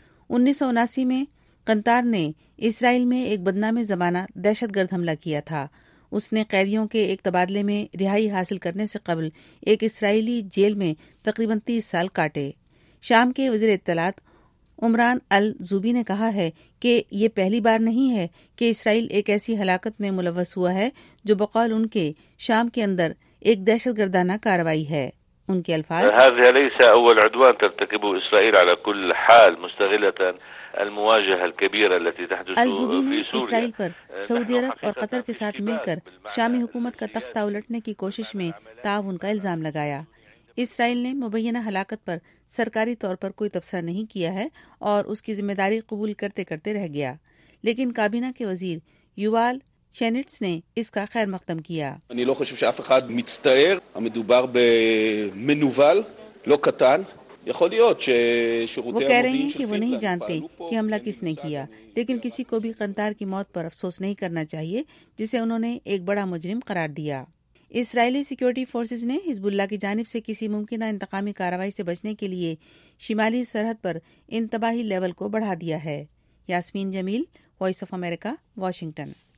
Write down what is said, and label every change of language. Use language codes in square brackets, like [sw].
[ur] 1979 میں قنطار نے اسرائیل میں ایک بدنام زمانہ دہشت گرد حملہ کیا تھا۔ اس نے قیدیوں کے ایک تبادلے میں رہائی حاصل کرنے سے قبل ایک اسرائیلی جیل میں تقریباً 30 سال کاٹے۔ شام کے وزیر اطلاعات عمران الزوبی نے کہا ہے کہ یہ پہلی بار نہیں ہے کہ اسرائیل ایک ایسی ہلاکت میں ملوث ہوا ہے جو بقول ان کے شام کے اندر ایک دہشت گردانہ کاروائی ہے۔ ان کے الفاظ، [ar] هذا ليس اول عدوان ترتكبه اسرائيل على كل حال مستغله المواجهه الكبيره التي تحدث في سوريا۔ [ur] الزوبی نے اسرائیل پر سعودی عرب اور قطر کے ساتھ مل کر شامی حکومت کا تختہ الٹنے کی کوشش میں تعاون کا الزام لگایا۔ اسرائیل نے مبینہ ہلاکت پر سرکاری طور پر کوئی تبصرہ نہیں کیا ہے اور اس کی ذمہ داری قبول کرتے کرتے رہ گیا، لیکن کابینہ کے وزیر یووال شینٹس نے اس کا خیر مقدم کیا۔ [he] אני לא חושב שאף אחד מצטער, מדובר במנוול לא קטן, יכול להיות ששירותי המודיעין של פיטלן פעלו פה, [ur] وہ نہیں جانتے کہ حملہ کس نے کیا، لیکن کسی کو بھی قنطار کی موت پر افسوس نہیں کرنا چاہیے جسے انہوں نے ایک بڑا مجرم قرار دیا۔ اسرائیلی سیکیورٹی فورسز نے حزب اللہ کی جانب سے کسی ممکنہ انتقامی کارروائی سے بچنے کے لیے شمالی سرحد پر انتباہی لیول کو بڑھا دیا ہے۔ یاسمین جمیل، وائس آف امریکہ، واشنگٹن۔